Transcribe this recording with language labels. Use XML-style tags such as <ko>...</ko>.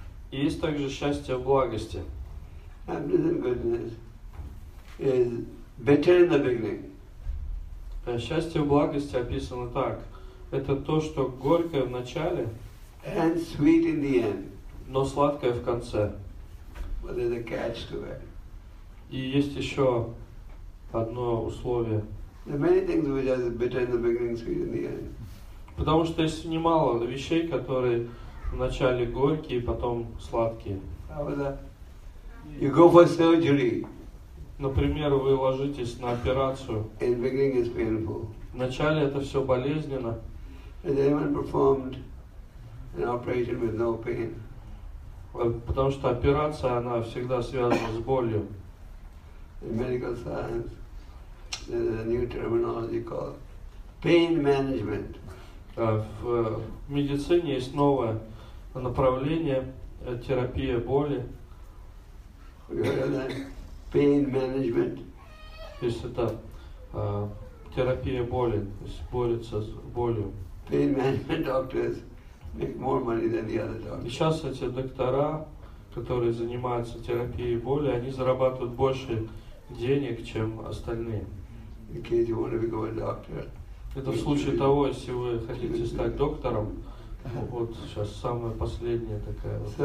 <ru>Есть также счастье в благости.</ru> <en>Happiness and goodness is better in the beginning.</en> <ru>Счастье в благости описано так. Это то, что горькое в начале,</ru> <en>and sweet in the end.</en> <ru>Но сладкое в конце.</ru> <en>But there's a catch to it.</en> <ru>И есть еще одно условие.</ru> <en>There are many things which are bitter in the beginning, sweet in the end.</en> <ru>Потому что есть немало вещей, которые вначале горькие, потом сладкие.</ru> <en>How is that? You go for surgery.</en> <ru>Например, вы ложитесь на операцию.</ru> <en>In the beginning it's painful.</en> <ru>Вначале это все болезненно.</ru> <en>Has anyone performed an operation with no pain?</en> <ru>Потому что операция, она всегда связана с болью.</ru> <en>In medical science, there's a new terminology called pain management.</en> <ru>В медицине есть новое направление, терапия боли.</ru> <en>Pain management.</en> <ru>То есть это терапия боли, то есть борется с болью.</ru> <en>Pain management doctors make more money than the other doctors.</en> <ru>И сейчас эти доктора, которые занимаются терапией боли, они зарабатывают больше денег, чем остальные.</ru> <en>In case you want to become a doctor.</en> <ru>Это в случае того, если вы хотите стать доктором, вот сейчас самая последняя такая</ru>